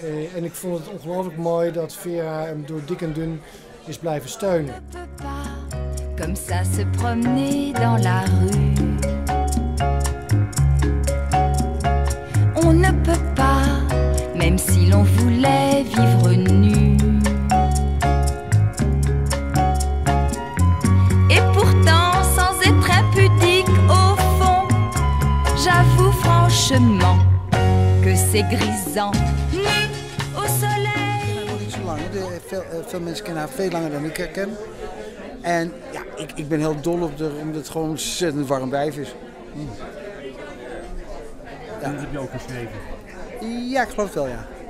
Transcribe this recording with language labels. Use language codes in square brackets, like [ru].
[nl] En ik vond het ongelooflijk mooi dat Vera hem door dik en dun is blijven steunen. [fr] Comme ça se promener dans la rue. On ne peut pas, même si l'on voulait vivre nu. Et pourtant, sans être impudique au fond, j'avoue franchement que c'est grisant. Nu au soleil. [nl] Niet zo lang, veel mensen kennen haar veel langer dan ik haar ken. En ja, ik ben heel dol op haar, omdat het gewoon een ontzettend warm wijf is. Ja. En dat heb je ook geschreven? Ja, ik geloof het wel, ja.